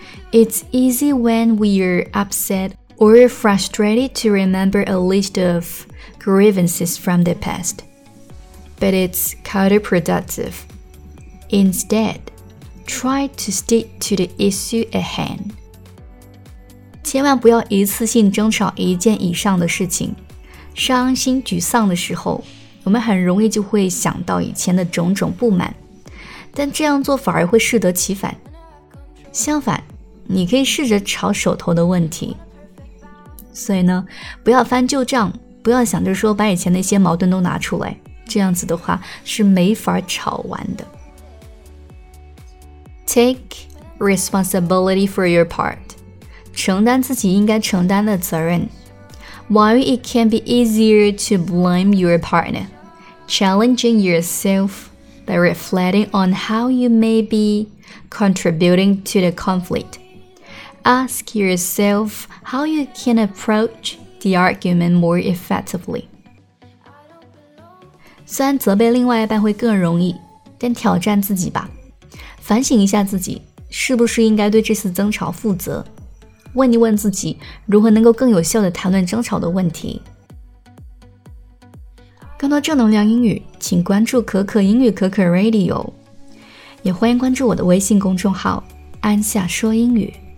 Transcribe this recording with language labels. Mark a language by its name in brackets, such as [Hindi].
[English] It's easy when we're upset or frustrated to remember a list of grievances from the past， But it's counterproductive。 Instead, try to stick to the issue at hand. [Chinese] 千万不要一次性争吵一件以上的事情。伤心沮丧的时候，我们很容易就会想到以前的种种不满，但这样做反而会适得其反。相反，你可以试着吵手头的问题。所以呢，不要翻旧账，不要想着说把以前那些矛盾都拿出来，这样子的话是没法吵完的。 [English] Take responsibility for your part. [Chinese] 承担自己应该承担的责任。 [English] While it can be easier to blame your partner, challenging yourself by reflecting on how you may be contributing to the conflict, ask yourself how you can approach the argument more effectively. [Chinese] 虽然责备另外一半会更容易，但挑战自己吧。反省一下自己，是不是应该对这次争吵负责？问一问自己，如何能够更有效地谈论争吵的问题？更多正能量英语，请关注可可英语可可 Radio， 也欢迎关注我的微信公众号安夏说英语。